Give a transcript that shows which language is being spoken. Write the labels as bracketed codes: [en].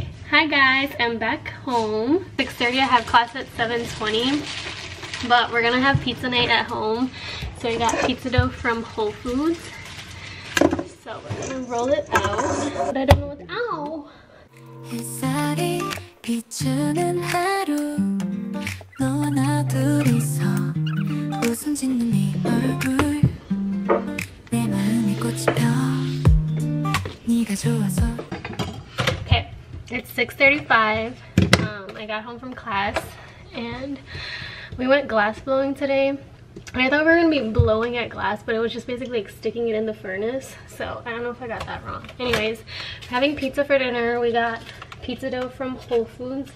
[en] Hi guys, I'm back home. 6:30, I have class at 7:20. But we're gonna have pizza night at home. So I got pizza dough from Whole Foods. So we're gonna roll it out. But I don't know what's out. [ko] 햇살이 비추는 하루 너와 나 둘이서 웃음 짓는 이 얼굴 내 마음에 꽃이 펴 네가 좋아서 [en] It's 6:35. I got home from class and we went glass blowing today. And I thought we were gonna be blowing at glass, but it was just basically like sticking it in the furnace. So I don't know if I got that wrong. Anyways, we're having pizza for dinner. We got pizza dough from Whole Foods.